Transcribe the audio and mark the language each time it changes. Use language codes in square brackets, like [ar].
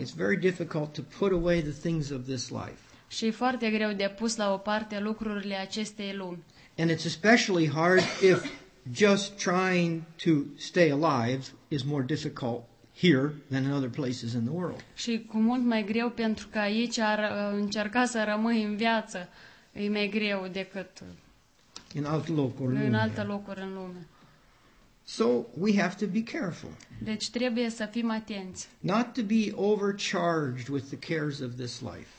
[en] It's very difficult to put away the things of this life. [ro] Și e foarte greu de pus la o parte lucrurile acestei lumi. [en] And it's especially hard if just trying to stay alive is more difficult here than in other places in the world. [ro] Și cu mult mai greu pentru că aici ar încerca să rămâi în viață e mai greu decât în alte locuri în lume. [en] So we have to be careful. [ro] Deci trebuie să fim atenți. [en] Not to be overcharged with the cares of this life.